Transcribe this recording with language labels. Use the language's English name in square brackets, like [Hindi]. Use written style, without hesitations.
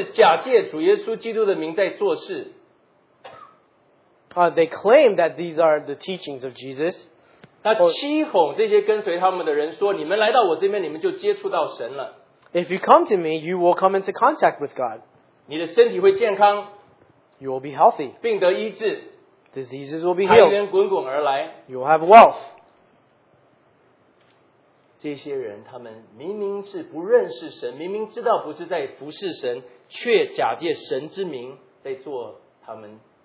[Chinese] 口里说是假借主耶稣基督的名在做事。 [English] They claim that these are the teachings of Jesus. [Chinese] 他欺哄这些跟随他们的人说，你们来到我这边，你们就接触到神了。 [English] If you come to me, you will come into contact with God. [Chinese] 你的身体会健康。 [English] You will be healthy. [Chinese] 病得医治。 [English] Diseases will be healed. [Chinese] 财源滚滚而来。 [English] You will have wealth. [Chinese] 这些人，他们明明是不认识神，明明知道不是在服侍神，却假借神之名在做他们。